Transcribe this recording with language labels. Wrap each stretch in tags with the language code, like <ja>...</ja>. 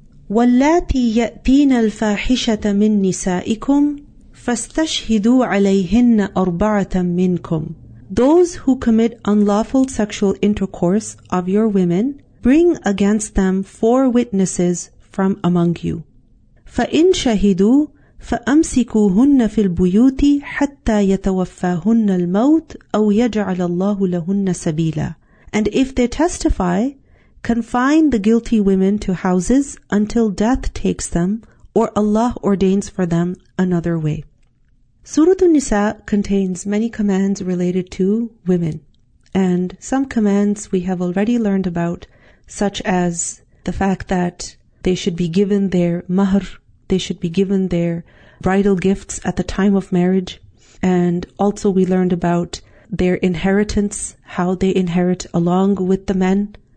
<ar>واللاتي يأتين الفاحشة من نسائكم فاستشهدوا عليهن أربعة منكم.</ar> <en>Those who commit unlawful sexual intercourse of your women, bring against them four witnesses from among you.</en> <ar>فإن شهدوا فأمسكوهن في البيوت حتى يتوفاهن الموت أو يجعل الله لهن سبيلا.</ar> <en>And if they testify, confine the guilty women to houses until death takes them or Allah ordains for them another way. Surah An-Nisa contains many commands related to women, and some commands we have already learned about, such as the fact that they should be given their mahr, they should be given their bridal gifts at the time of marriage, and also we learned about their inheritance, how they inherit along with the men.</en>